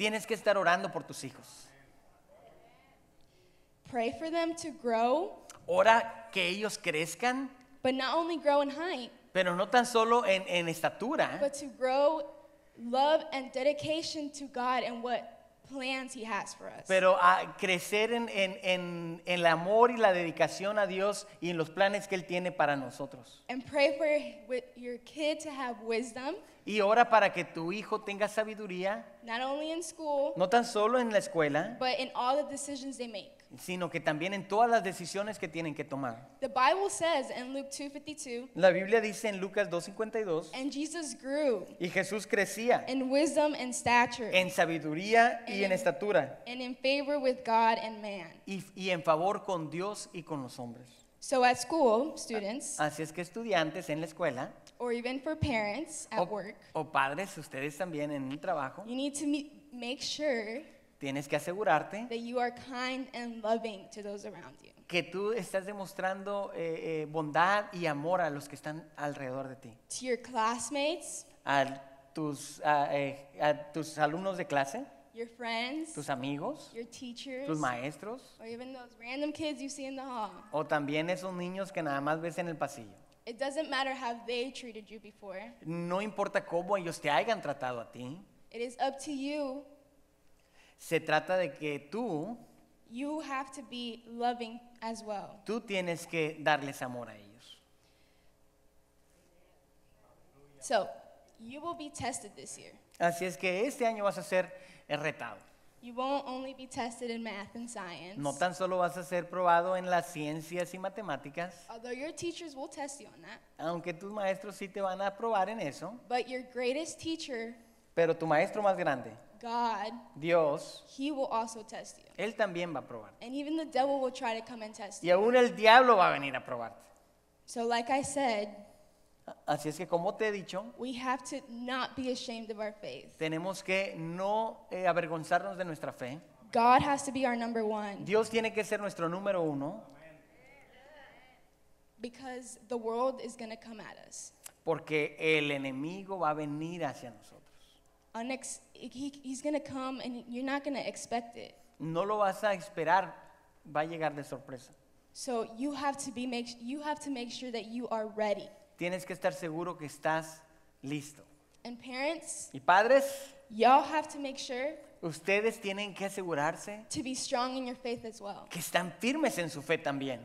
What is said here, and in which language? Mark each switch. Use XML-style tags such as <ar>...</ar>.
<es>Tienes que estar orando por tus hijos.</es> <en>Pray for them to grow.</en> <es>Ora que ellos crezcan.</es> <en>But not only grow in height.</en> <es>Pero no tan solo en estatura.</es> <en>But to grow love and dedication to God and what plans he has for us.</en> <es>Pero a crecer en el amor y la dedicación a Dios y en los planes que él tiene para nosotros.</es> <en>And pray for your kid to have wisdom.</en> <es>Y ora para que tu hijo tenga sabiduría.</es> <en>Not only in school.</en> <es>No tan solo en la escuela.</es> <en>But in all the decisions they make.</en> <es>Sino que también en todas las decisiones que tienen que tomar.</es> <en>The Bible says in Luke 2:52.</en> <es>La Biblia dice en Lucas 2:52.</es> <en>And Jesus grew.</en> <es>Y Jesús crecía.</es> <en>In wisdom and stature.</en> <es>En sabiduría y en estatura.</es> <en>And in favor with God and man.</en> <es>Y en favor con Dios y con los hombres.</es> <en>So at school, students.</en> <es>Así es que estudiantes en la escuela.</es> <en>Or even for parents at work.</en> <es>O padres, ustedes también en el trabajo.</es> <en>You need to make sure.</en> <es>Tienes que asegurarte.</es> <en>That you are kind and loving to those around you.</en> <es>Que tú estás demostrando bondad y amor a los que están alrededor de ti.</es> <en>To your classmates.</en> <es>A tus alumnos de clase.</es> <en>Your friends.</en> <es>Tus amigos.</es> <en>Your teachers.</en> <es>Tus maestros.</es> <en>Or even those random kids you see in the hall.</en> <es>O también esos niños que nada más ves en el pasillo.</es> <en>It doesn't matter how they treated you before.</en> <es>No importa cómo ellos te hayan tratado a ti.</es> <en>It is up to you.</en> <es>Se trata de que tú.</es> <en>You have to be loving as well.</en> <es>Tú tienes que darles amor a ellos.</es> <en>So, you will be tested this year.</en> <es>Así es que este año vas a ser retado.</es> <en>You won't only be tested in math and science.</en> <es>No tan solo vas a ser probado en las ciencias y matemáticas.</es> <en>Although your teachers will test you on that.</en> <es>Aunque tus maestros sí te van a probar en eso.</es> <en>But your greatest teacher.</en> <es>Pero tu maestro más grande.</es> <en>God.</en> <es>Dios.</es> <en>He will also test you.</en> <es>Él también va a probar.</es> <en>And even the devil will try to come and test</en> <es>you. Y aún el diablo va a venir a probarte.</es> <en>So like I said.</en> <es>Así es que como te he dicho,</es> <en>we have to not be ashamed of our faith.</en> <es>Tenemos que no avergonzarnos de nuestra fe.</es> <en>God has to be our number one.</en> <es>Dios tiene que ser nuestro número uno.</es> <en>Because the world is going to come at us.</en> <es>Porque el enemigo va a venir hacia nosotros.</es> <en>He's going to come and you're not going to expect it.</en> <es>No lo vas a esperar, va a llegar de sorpresa.</es> <en>So you have to make sure that you are ready.</en> <es>Tienes que estar seguro que estás listo.</es> <en>And parents,</en> <es>y padres,</es> <en>y'all have to make sure,</en> <es>ustedes tienen que asegurarse,</es> <en>to be strong in your faith as well,</en> <es>que están firmes en su fe también.</es>